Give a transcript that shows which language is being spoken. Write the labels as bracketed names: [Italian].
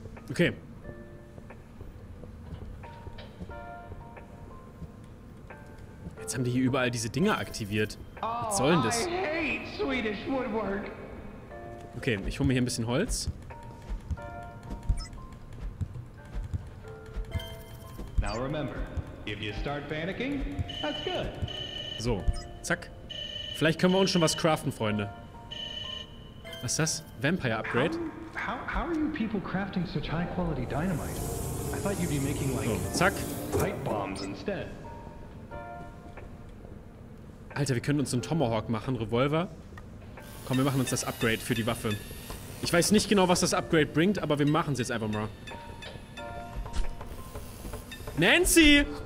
[German] Okay. Jetzt haben die hier überall diese Dinger aktiviert. Was soll denn das? Okay, ich hole mir hier ein bisschen Holz. [English] Now remember, if you start panicking, that's good. [German] So, zack. Vielleicht können wir uns schon was craften, Freunde. Was ist das? Vampire Upgrade? [English] How are you people crafting such high quality dynamite? I thought you'd be making like [German] so, zack. [English] Pipe bombs instead. [German] Alter, wir können uns einen Tomahawk machen, Revolver. Komm, wir machen uns das Upgrade für die Waffe. Ich weiß nicht genau, was das Upgrade bringt, aber wir machen es jetzt einfach mal. Nancy!